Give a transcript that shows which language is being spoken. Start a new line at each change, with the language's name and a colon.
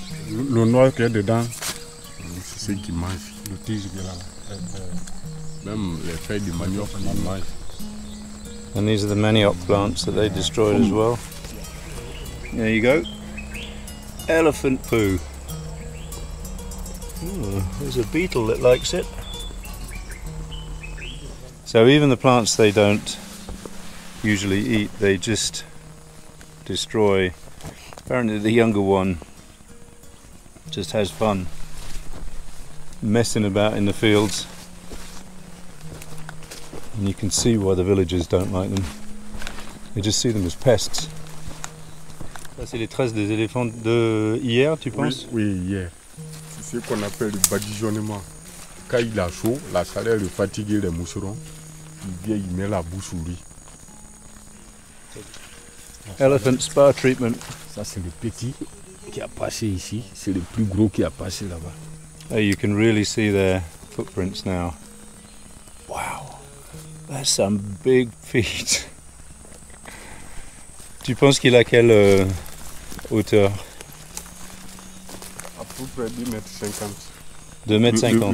French: Le noir qui est dedans, c'est ce qui mange. Le tige de la, même les feuilles du manioc, ils mangent.
English: And these are the manioc plants that they destroyed as well. There you go. Elephant poo. Ooh, there's a beetle that likes it. So even the plants they don't usually eat, they just destroy. Apparently the younger one just has fun messing about in the fields. And you can see why the villagers don't like them. They just see them as pests.
French: Ça c'est les traces des éléphants de hier, tu penses? Oui, hier. C'est ce qu'on appelle le badigeonnement. Quand il a chaud, la chaleur le fatigue les moucherons. Il vient, il met la bouche sur lui.
English: Elephant spa treatment.
French: Ça c'est le petit qui a passé ici. C'est le plus gros qui a passé là-bas.
English: Oh, you can really see their footprints now. Wow. That's some big feet.
French: Tu penses qu'il a quelle hauteur? À peu près 2 mètres 50. 2 mètres 50?